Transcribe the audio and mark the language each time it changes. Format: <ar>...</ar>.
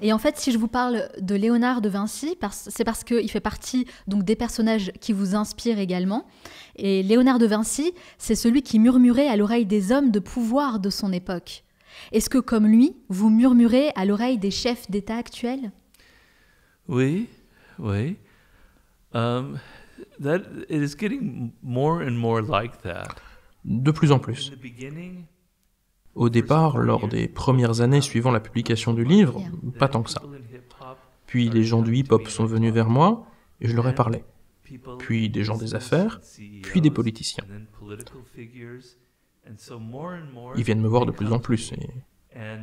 <fr>Et en fait, si je vous parle de Léonard de Vinci, c'est parce qu'il fait partie donc, des personnages qui vous inspirent également. Et Léonard de Vinci, c'est celui qui murmurait à l'oreille des hommes de pouvoir de son époque. Est-ce que, comme lui, vous murmurez à l'oreille des chefs d'État actuels ? Oui, oui.</fr> <en>It is getting more and more like that.</en> <fr>De plus en plus. Au départ, lors des premières années suivant la publication du livre, pas tant que ça. Puis les gens du hip-hop sont venus vers moi et je leur ai parlé. Puis des gens des affaires, puis des politiciens. Ils viennent me voir de plus en plus. Et...</fr>